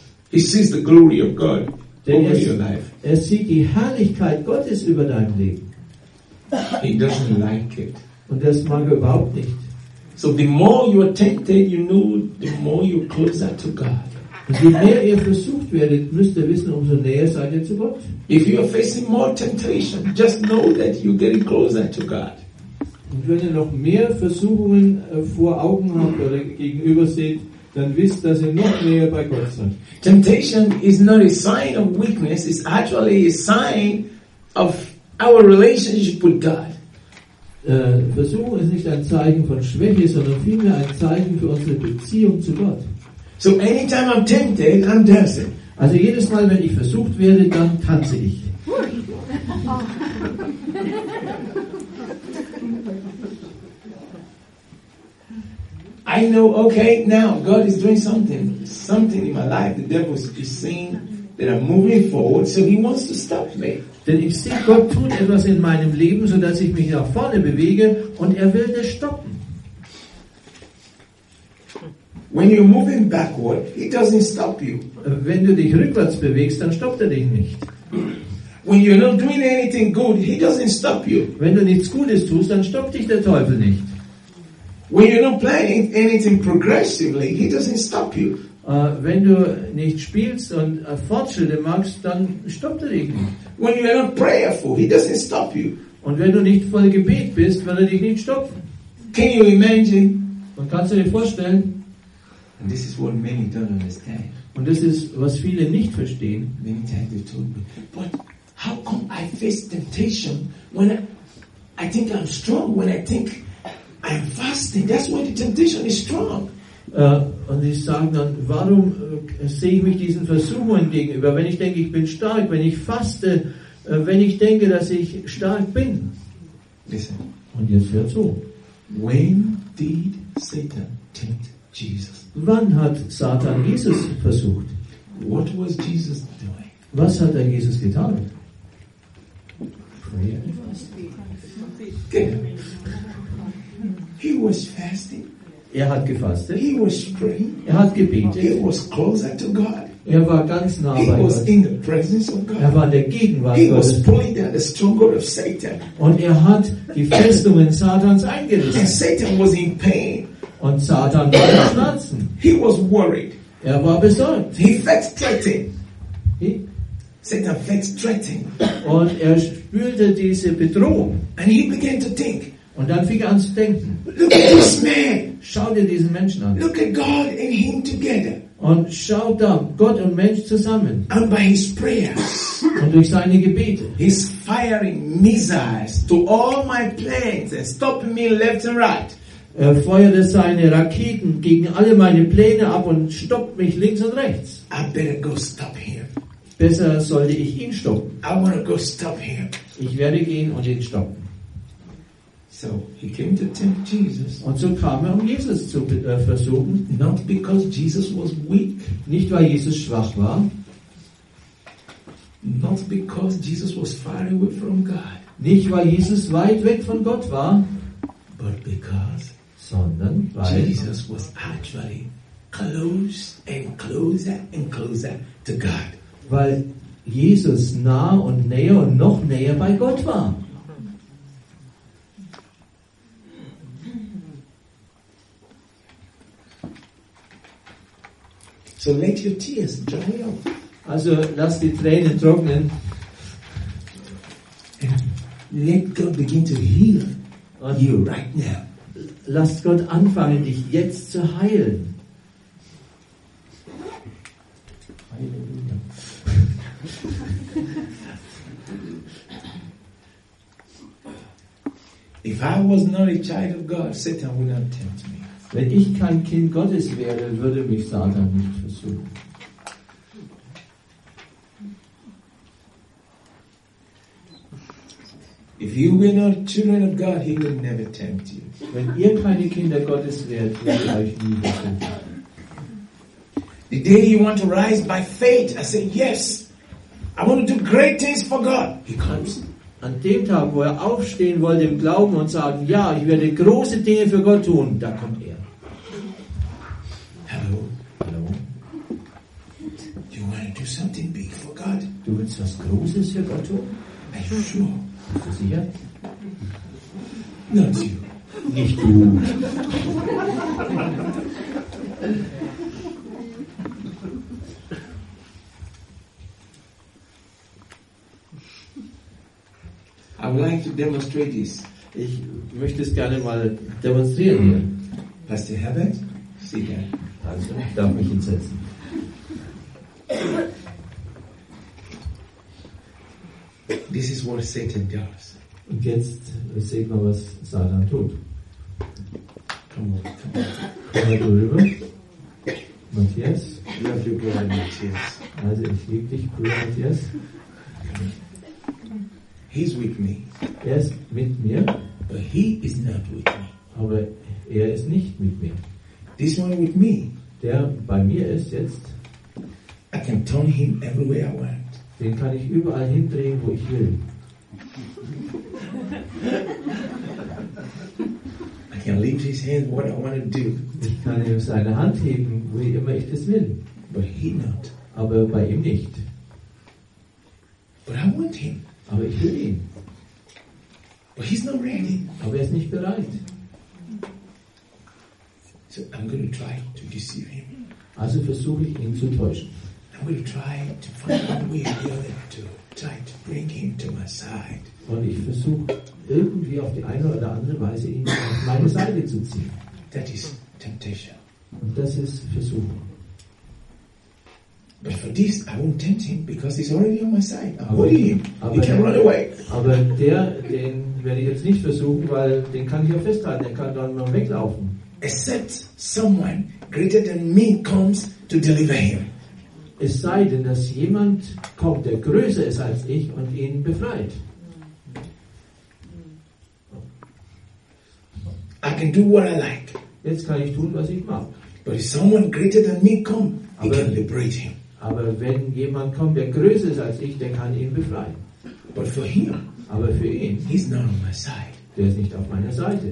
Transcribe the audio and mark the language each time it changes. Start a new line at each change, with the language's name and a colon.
English: He sees the glory of God over your life.
German: Er sieht die Herrlichkeit Gottes über dein Leben.
English: He doesn't like it.
German: Und das mag er überhaupt nicht.
English: So the more you are tempted, you know, the more you're closer to God.
German: Und je mehr ihr versucht werdet, müsst ihr wissen, umso näher seid ihr zu Gott.
English: If you are facing more temptation, just know that you're getting closer to God.
German: Und wenn ihr noch mehr Versuchungen vor Augen habt oder gegenüber seht, dann wisst, dass ihr noch näher bei Gott seid.
English: Temptation is not a sign of weakness, it's actually a sign of our relationship with God.
German: Versuchung ist nicht ein Zeichen von Schwäche, sondern vielmehr ein Zeichen für unsere Beziehung zu Gott.
English: So anytime I'm tempted, I'm dancing.
German: Also jedes Mal, wenn ich versucht werde, dann tanze ich.
English: I know, okay, now God is doing something in my life. The devil is seeing that I'm moving forward, so he wants to stop me.
German: Denn ich sehe, Gott tut etwas in meinem Leben, so dass ich mich nach vorne bewege, und er will das stoppen.
English: When you're moving backward, he doesn't stop you.
German: Wenn du dich rückwärts bewegst, dann stoppt er dich nicht.
English: When you're not doing anything good, he doesn't stop you.
German: Wenn du nichts Gutes tust, dann stoppt dich der Teufel nicht.
English: When you're not playing anything progressively, he doesn't stop you.
German: Wenn du nicht spielst und Fortschritte machst, dann stoppt er dich nicht.
English: When you are not prayerful, he doesn't stop you.
German: Und wenn du nicht voll Gebet bist, wird er dich nicht stoppen.
English: Can you imagine?
German: Und kannst du dir vorstellen?
English: And this is what many don't understand.
German: Und das ist, was viele nicht verstehen.
English: Many times they told me, but how come I face temptation when I think I'm strong, when I think I'm fasting? That's why the temptation is strong.
German: Und sie sagen dann, warum sehe ich mich diesen Versuchungen gegenüber, wenn ich denke, ich bin stark, wenn ich faste, wenn ich denke, dass ich stark bin.
English: Listen.
German: Und jetzt hört zu.
English: When did Satan tempt Jesus?
German: Wann hat Satan Jesus versucht?
English: What was Jesus doing?
German: Was hat er Jesus getan?
English: Prayer. He was fasting.
German: Er hat gefastet.
English: He was praying.
German: Er hat gebetet.
English: He was closer to God.
German: Er war ganz nah bei Gott.
English: He was in the presence of God.
German: Er war in der Gegenwart Gottes.
English: He was pulling down the stronghold of Satan.
German: Und er hat die Festungen Satans eingerissen.
English: And Satan was in pain.
German: Und Satan war in Schmerzen.
English: He was worried.
German: Er war besorgt.
English: He felt threatened. Satan felt threatened.
German: Und er spürte diese Bedrohung.
English: And he began to think.
German: Und dann fing er an zu denken.
English: Look at this man.
German: Schau dir diesen Menschen an.
English: Look at God and him together.
German: Und schau da, Gott und Mensch zusammen.
English: And by his prayers.
German: Und durch seine Gebete.
English: He's firing missiles to all my plans and stopping me left and right.
German: Er feuerte seine Raketen gegen alle meine Pläne ab und stoppt mich links und rechts.
English: I better go stop him.
German: Besser sollte ich ihn stoppen.
English: I wanna go stop him.
German: Ich werde gehen und ihn stoppen.
English: So he came to tempt Jesus.
German: Und so kam er, um Jesus zu versuchen.
English: Not because Jesus was weak.
German: Nicht weil Jesus schwach war.
English: Not because Jesus was far away from God.
German: Nicht weil Jesus weit weg von Gott war.
English: But because,
German: sondern weil
English: Jesus was actually close and closer and closer to God.
German: Weil Jesus nah und näher bei Gott war.
English: So let your tears dry off.
German: Also lass die Tränen trocknen.
English: And let God begin to heal und you right now.
German: Lass Gott anfangen, dich jetzt zu heilen.
English: If I was not a child of God, Satan would not tempt me.
German: Wenn ich kein Kind Gottes wäre, würde mich Satan nicht versuchen.
English: If you were not children of God, he would never tempt you.
German: Wenn ihr keine Kinder Gottes wärt, würde euch nie versuchen.
English: The day you want to rise by faith, I say yes. I want to do great things for God. He comes.
German: An dem Tag, wo er aufstehen wollte im Glauben und sagen, ja, ich werde große Dinge für Gott tun, da kommt er.
English: Hello. Hello. You want to do something big for God?
German: Du willst was Großes für Gott tun?
English: Are you sure?
German: Bist du sicher?
English: Not you.
German: Nicht du.
English: I would like to demonstrate this.
German: Ich möchte es gerne mal demonstrieren hier.
English: Pastor Herbert, see that.
German: Also, ich darf mich hinsetzen.
English: This is what Satan does.
German: Und jetzt sehen wir, was Satan tut.
English: Come on, come on.
German: Komm mal rüber. Matthias.
English: Love you, brother Matthias.
German: Also, ich liebe dich, Bruder Matthias.
English: He's with me.
German: Er ist mit mir.
English: But he is not with me.
German: Aber er ist nicht mit mir.
English: This one with me.
German: Der bei mir ist jetzt.
English: I can turn him everywhere I want.
German: Den kann ich überall hindrehen, wo ich will.
English: I can leave his hand what I want to do.
German: Ich kann ihm seine Hand heben, wie immer ich das will.
English: But he not.
German: Aber bei ihm nicht.
English: But I want him.
German: Aber ich will ihn.
English: But he's not ready.
German: Aber er ist nicht bereit.
English: So I'm going to try to deceive him.
German: Also versuche ich ihn zu täuschen.
English: I will try to find a way or the other to try to bring him to my side.
German: Und ich versuche irgendwie auf die eine oder andere Weise ihn auf meine Seite zu ziehen.
English: That is temptation.
German: Und das ist Versuchung.
English: But for this, I won't tempt him because he's already on my side. I'm holding him. He can run away.
German: Aber der, den werde ich jetzt nicht versuchen, weil den kann ich ja festhalten. Der kann dann nur weglaufen.
English: Except someone greater than me comes to deliver him.
German: Es sei denn, dass jemand kommt, der größer ist als ich und ihn befreit.
English: I can do what I like.
German: Jetzt kann ich tun, was ich mag.
English: But if someone greater than me comes, he can liberate him.
German: Aber wenn jemand kommt, der größer ist als ich, der kann ihn befreien.
English: But for him,
German: aber für ihn,
English: he's not on my side.
German: Der ist nicht auf meiner Seite.